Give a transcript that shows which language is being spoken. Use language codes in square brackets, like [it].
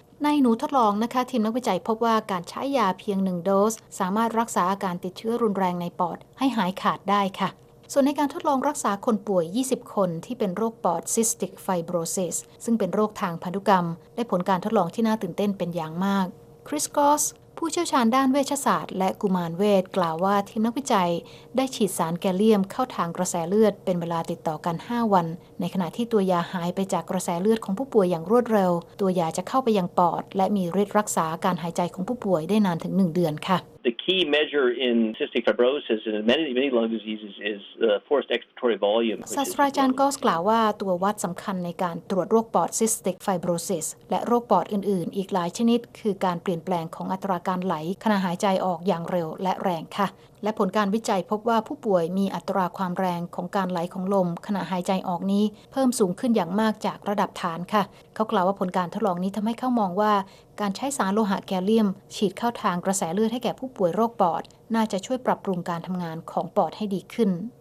[th] ในหนูทดลองนะคะทีมนักวิจัยพบว่าการใช้ยาเพียง1โดสสามารถรักษาอาการติดเชื้อรุนแรงในปอดให้หายขาดได้ค่ะส่วนในการทดลองรักษาคนป่วย20คนที่เป็นโรคปอดซิสติกไฟโบรซิสซึ่งเป็นโรคทางพันธุกรรมได้ผลการทดลองที่น่าตื่นเต้นเป็นอย่างมากคริสกอสผู้เชี่ยวชาญด้านเวชศาสตร์และกุมารเวชกล่าวว่าทีมนักวิจัย ได้ฉีดสารแกลเลียมเข้าทางกระแสเลือดเป็นเวลาติดต่อกัน5วันในขณะที่ตัวยาหายไปจากกระแสเลือดของผู้ป่วยอย่างรวดเร็วตัวยาจะเข้าไปยังปอดและมีฤทธิ์รักษาการหายใจของผู้ป่วยได้นานถึง1เดือนค่ะ [en] The key measure in cystic fibrosis and many lung diseases is the forced expiratory volume [th] ศาสตราจารย์กอสกล่าวว่าตัววัดสำคัญในการตรวจโรคปอด cystic fibrosis และโรคปอดอื่นๆอีกหลายชนิดคือการเปลี่ยนแปลงของอัตราการไหลขณะหายใจออกอย่างเร็วและแรงค่ะและผลการวิจัยพบว่าผู้ป่วยมีอัตราความแรงของการไหลของลมขณะหายใจออกนี้เพิ่มสูงขึ้นอย่างมากจากระดับฐานค่ะเขากล่าวว่าผลการทดลองนี้ทำให้เขามองว่าการใช้สารโลหะแกลเลียมฉีดเข้าทางกระแสเลือดให้แก่ผู้ป่วยโรคปอดน่าจะช่วยปรับปรุงการทำงานของปอดให้ดีขึ้น